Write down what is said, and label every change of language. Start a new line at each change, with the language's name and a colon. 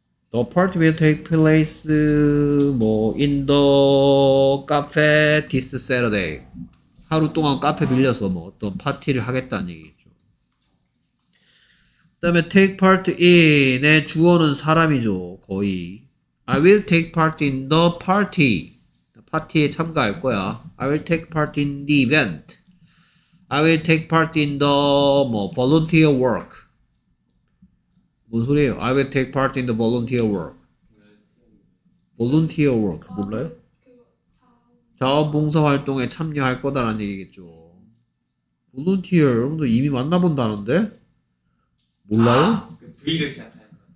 Korean: 더 파티
English: will take place
Korean: 뭐
English: in the cafe this Saturday.
Korean: 하루 동안 카페 빌려서 뭐 어떤 파티를 하겠다는 얘기죠. 그 다음에 take part in의 주어는 사람이죠. 거의
English: I will take part in the party.
Korean: 파티에 참가할 거야.
English: I will take part in the event. I will take part in the
Korean: 뭐
English: volunteer work.
Korean: 뭔 소리예요?
English: I will take part in the volunteer work.
Korean: Volunteer work 몰라요? 자원봉사 활동에 참여할 거다라는 얘기겠죠. Volunteer 여러분도 이미 만나본 단어인데 몰라요? 아, 그 V를 시작하는 거.